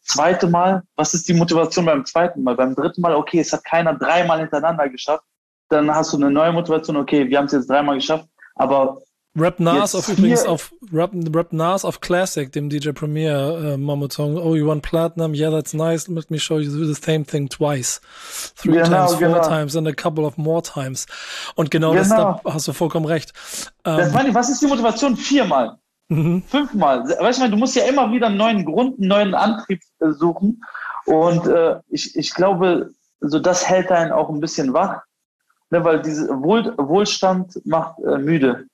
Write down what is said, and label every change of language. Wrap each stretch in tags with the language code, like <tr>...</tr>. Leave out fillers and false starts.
<de>Zweite Mal, was ist die Motivation beim zweiten Mal? Beim dritten Mal, okay, es hat keiner 3-mal hintereinander geschafft. Dann hast du eine neue Motivation, okay, wir haben es jetzt 3-mal geschafft, aber. Rap Nas auf übrigens auf Rap Nas auf Classic, dem DJ Premier Momotong.</de> <en>Oh, you want Platinum? Yeah, that's nice. Let me show you the same thing twice. Three times, four times and a couple of more times.</en> <de>Und genau. Das, da hast du vollkommen recht. Was ist die Motivation? 4-mal. Mhm. 5-mal. Weißt du, du musst ja immer wieder einen neuen Grund, einen neuen Antrieb suchen. Und ich glaube, so das hält einen auch ein bisschen wach. Ne, weil dieser Wohlstand macht müde.</de>